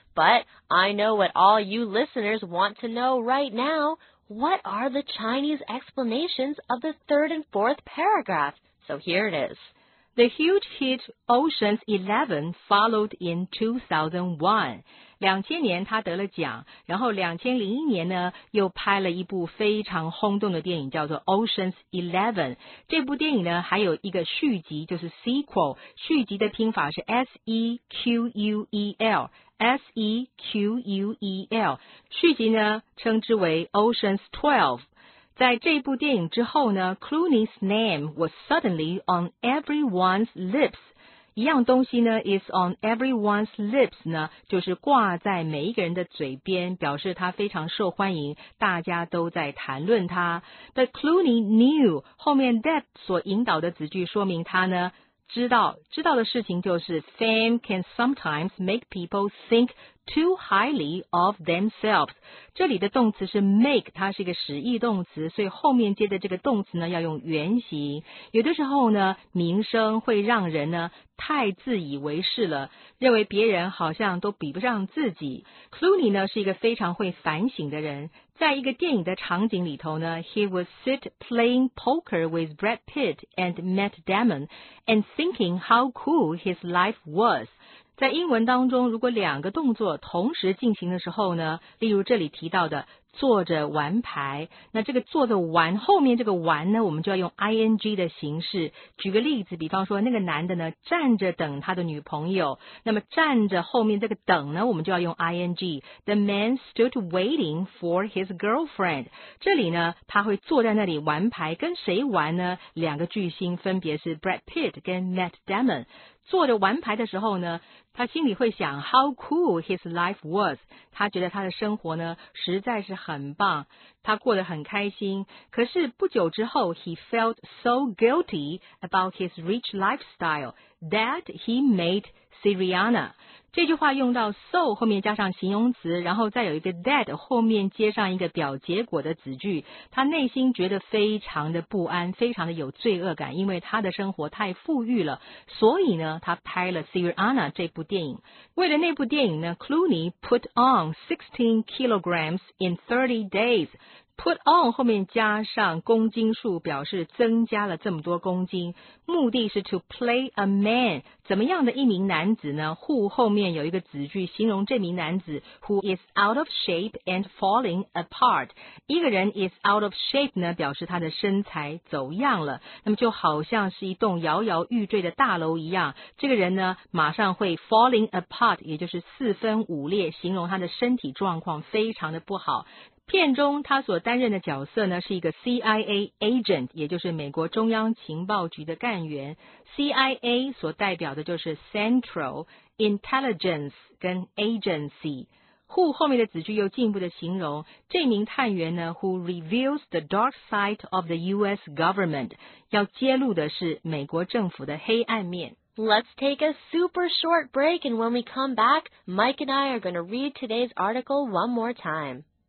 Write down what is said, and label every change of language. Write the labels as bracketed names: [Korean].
[English] But I know what all you listeners want to know right now. What are the Chinese explanations of the third and fourth paragraph? So here it is. The huge hit Ocean's 11 followed in 2001. [Chinese] 2000年他得了奖，然后2001年呢又拍了一部非常轰动的电影叫做 Ocean's 11。这部电影呢还有一个续集，就是 sequel， 续集的拼法是 sequel。 SEQUEL， 续集呢称之为 Ocean's 12。在这部电影之后呢， [English] Clooney's name was suddenly on everyone's lips， [Chinese] 一样东西呢 [English] is on everyone's lips [Chinese] 呢，就是挂在每一个人的嘴边，表示它非常受欢迎，大家都在谈论它。 [English] But Clooney knew [Chinese] 后面 [English] that [Chinese] 所引导的子句说明他呢知道的事情就是 [English] fame can sometimes make people think too highly of themselves. [Chinese] 这里的动词是 make, 它是一个实义动词，所以后面接的这个动词呢要用原形。有的时候呢名声会让人呢太自以为是了，认为别人好像都比不上自己。 Clooney 呢是一个非常会反省的人，在一个电影的场景里头呢 [English] ,he would sit playing poker with Brad Pitt and Matt Damon and thinking how cool his life was. [Chinese] 在英文当中如果两个动作同时进行的时候呢，例如这里提到的坐着玩牌，那这个坐着玩后面这个玩呢我们就要用 ing 的形式。举个例子，比方说那个男的呢站着等他的女朋友，那么站着后面这个等呢我们就要用 ing。 [English] The man stood waiting for his girlfriend， [Chinese] 这里呢他会坐在那里玩牌，跟谁玩呢？两个巨星分别是 Brad Pitt 跟 Matt Damon。坐着玩牌的时候呢，他心里会想 [English] how cool his life was， [Chinese] 他觉得他的生活呢实在是很棒，他过得很开心。可是不久之后 [English] he felt so guilty about his rich lifestyle that he made Syriana。 [Chinese] 这句话用到 so 后面加上形容词，然后再有一个 that 后面接上一个表结果的子句，他内心觉得非常的不安，非常的有罪恶感，因为他的生活太富裕了，所以呢他拍了 Syriana 这部电影。为了那部电影呢， [English] Clooney put on 16 kilograms in 30 days。 [Chinese] Put on 后面加上公斤数，表示增加了这么多公斤，目的是 [English] to play a man， [Chinese] 怎么样的一名男子呢？ [English] who [Chinese] 后面有一个子句形容这名男子 [English] who is out of shape and falling apart。 [Chinese] 一个人 [English] is out of shape [Chinese] 呢，表示他的身材走样了，那么就好像是一栋摇摇欲坠的大楼一样，这个人呢马上会 [English] falling apart， [Chinese] 也就是四分五裂，形容他的身体状况非常的不好。片中他所担任的角色呢是一个 CIA agent， 也就是美国中央情报局的干员。 CIA 所代表的就是 Central Intelligence 跟 Agency。 Who 后面的子句又进一步的形容这名探员呢 [English] who reveals the dark side of the US government， [Chinese] 要揭露的是美国政府的黑暗面。 [English] Let's take a super short break and when we come back Mike and I are going to read today's article one more time。